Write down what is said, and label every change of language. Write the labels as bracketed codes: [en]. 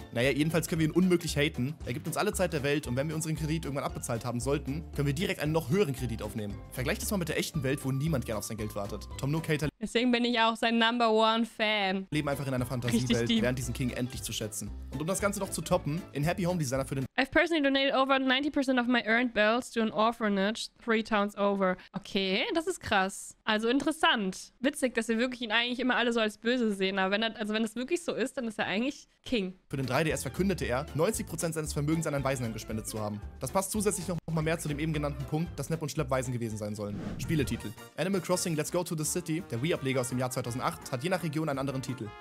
[de] Naja, jedenfalls können wir ihn unmöglich haten. Er gibt uns alle Zeit der Welt und wenn wir unseren Kredit irgendwann abbezahlt haben sollten, können wir direkt einen noch höheren Kredit aufnehmen. Vergleich das mal mit der echten Welt, wo niemand gern auf sein Geld wartet. Tom Nook Hater. Deswegen bin ich auch sein [en] Number One Fan. [de] Leben einfach in einer Fantasiewelt, lernt diesen King endlich zu schätzen. Und um das Ganze noch zu toppen, in Happy Home Designer für den. [en] I've personally donated over 90% of my earned bills to an orphanage 3 towns over. [de] Okay, das ist krass. Also interessant. Witzig, dass wir wirklich ihn eigentlich immer alle so als böse sehen. Aber wenn das wirklich so ist, dann ist er eigentlich King. Für den 3DS verkündete er, 90% seines Vermögens an ein Waisenheim gespendet zu haben. Das passt zusätzlich noch mal mehr zu dem eben genannten Punkt, dass Snap und Schlepp Waisen gewesen sein sollen. Spieletitel. Animal Crossing Let's Go to the City, der Wii-Ableger aus dem Jahr 2008, hat je nach Region einen anderen Titel.